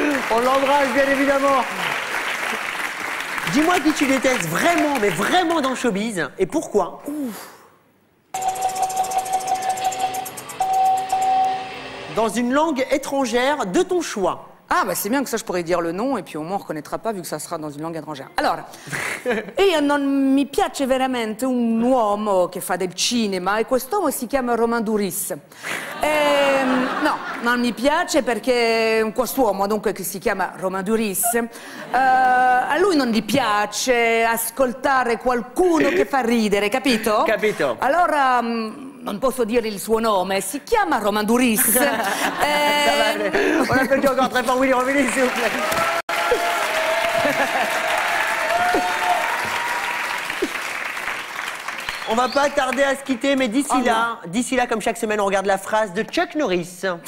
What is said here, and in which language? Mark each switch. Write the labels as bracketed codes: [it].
[fr] On l'embrasse, bien évidemment. Dis-moi qui tu détestes vraiment, mais vraiment dans le showbiz, et pourquoi? Ouf. Dans une langue étrangère de ton choix. Ah bah c'est bien que ça je pourrais dire le nom et puis au moins on reconnaîtra pas vu que ça sera dans une langue étrangère. [it] Alors, io non mi piace veramente un uomo che fa del cinema e quest'uomo si chiama Romain Duris. No, non mi piace perché quest'uomo dunque che si chiama Romain Duris, a lui non gli piace ascoltare qualcuno che fa ridere, capito? Capito. Allora... Non posso dire il suo nome, si chiama Romain Duris. [fr] Ça va aller. On appelle encore très fort, Willy Romilly, s'il vous plaît. On va pas tarder à se quitter, mais d'ici là, comme chaque semaine, on regarde la phrase de Chuck Norris.